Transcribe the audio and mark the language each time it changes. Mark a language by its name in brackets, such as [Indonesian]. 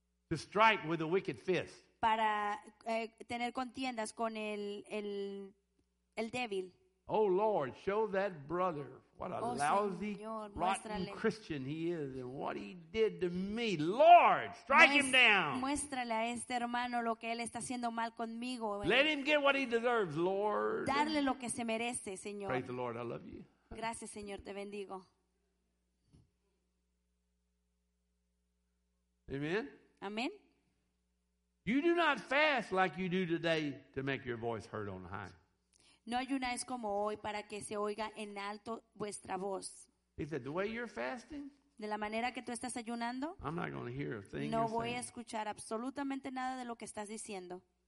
[English] To strike with a wicked fist. [Spanish] Para tener contiendas con el débil. [English] Oh Lord, show that brother what a lousy, [Spanish] Señor, [English] rotten [Spanish] muéstrale. [English] Christian he is and what he did to me. Lord, strike him down. [Spanish] Muéstrale a este hermano lo que él está haciendo mal conmigo. [English] Let him get what he deserves, Lord. [Spanish] Darle lo que se merece, Señor. [English] Praise the Lord, I love you. [Spanish] Gracias, Señor, te bendigo. [English] Amen. [Spanish] Amen. [English] You do not fast like you do today to make your voice heard on high. [Spanish] No ayunáis como hoy para que se oiga en alto vuestra voz. [English] He said, the way you're fasting, [Spanish] de la manera que tú estás ayunando, [English] I'm not going to hear a thing [Spanish] no [English] you're [Spanish] voy [English] saying. [Spanish] A escuchar absolutamente nada de lo que estás diciendo.